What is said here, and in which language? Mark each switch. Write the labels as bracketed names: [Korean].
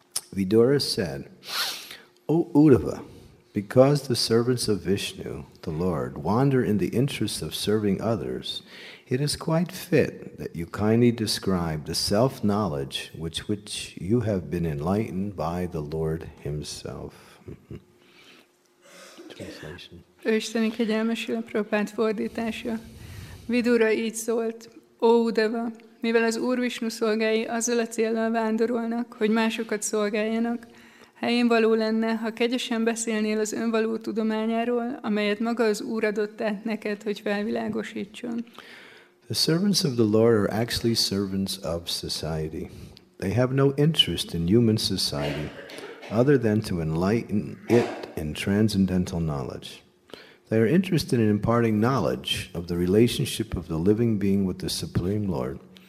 [English] Vidura said, O Uddhava, because the servants of Vishnu, the Lord, wander in the interests of serving others, it is quite fit that you kindly describe the self-knowledge which you have been enlightened by the Lord Himself. [Hungarian] Ősteni kegyelmesül a Prabhupád fordítása. Vidura így szólt, Ó Uddhava, mivel az Úr Vishnu szolgái azzal a céllal vándorolnak, hogy másokat szolgáljanak, helyén való lenne, ha kegyesen beszélnél az önvaló tudományáról, amelyet maga az Úr adott át neked, hogy felvilágosítson. [English] The servants of the Lord are actually servants of society. They have no interest in human society other than to enlighten it in transcendental knowledge. They are interested in imparting knowledge of the relationship of the living being with the Supreme Lord.